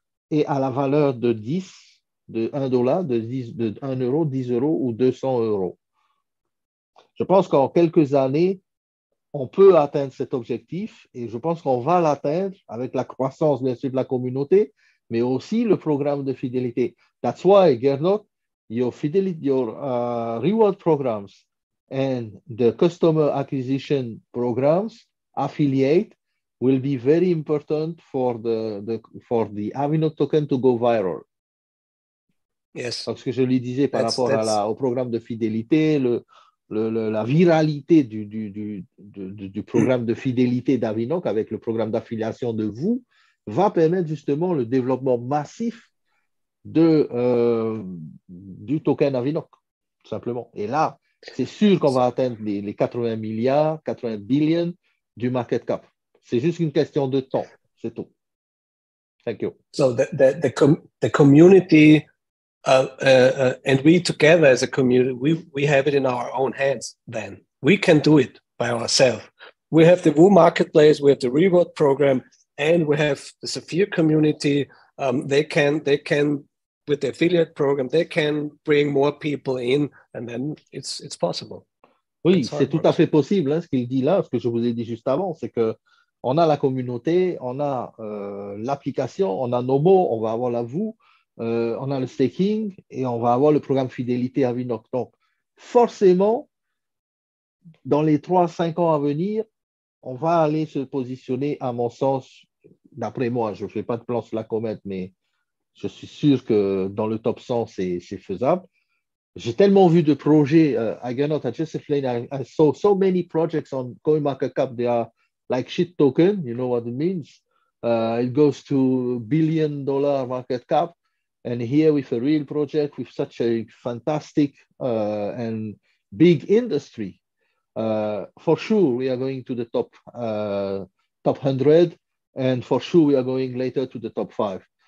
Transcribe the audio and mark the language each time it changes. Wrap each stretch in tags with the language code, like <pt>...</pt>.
<fr>Et à la valeur de 10, de 1 dollar, de 10, de 1 euro, 10 euros ou 200 euros. Je pense qu'en quelques années, on peut atteindre cet objectif et je pense qu'on va l'atteindre avec la croissance, bien sûr, de la communauté, mais aussi le programme de fidélité.</fr> <en>That's why, Gernot, your fidelity, your reward programs and the customer acquisition programs, affiliate, will be very important for the Avinoc token to go viral. Yes.</en> <fr>Parce que je lui disais par rapport au programme de fidélité, la viralité du programme de fidélité d'Avinoc avec le programme d'affiliation de vous va permettre justement le développement massif du token Avinoc, tout simplement. Et là, c'est sûr qu'on va atteindre les 80 milliards, 80 billion du market cap. C'est juste une question de temps, c'est tout.</fr> <en>Thank you. So the community and we together as a community, we have it in our own hands then. We can do it by ourselves. We have the Woo Marketplace, we have the reward program, and we have the Sphere community. They can with the affiliate program, they can bring more people in, and then it's possible.</en> <fr>Oui, c'est tout à fait possible, hein, ce qu'il dit là, ce que je vous ai dit juste avant, c'est que on a la communauté, on a l'application, on a nos mots, on va avoir la VOO, on a le staking et on va avoir le programme fidélité à Avinoc. Donc, forcément, dans les 3-5 ans à venir, on va aller se positionner, à mon sens, d'après moi, je ne fais pas de plan sur la comète, mais je suis sûr que dans le top 100, c'est faisable. J'ai tellement vu de projets,</fr> <en>Gernot, I just explained, I saw so many projects on CoinMarketCap, they are like shit token, you know what it means. It goes to $1 billion market cap. And here with a real project with such a fantastic and big industry, for sure we are going to the top 100, and for sure we are going later to the top 5.</en>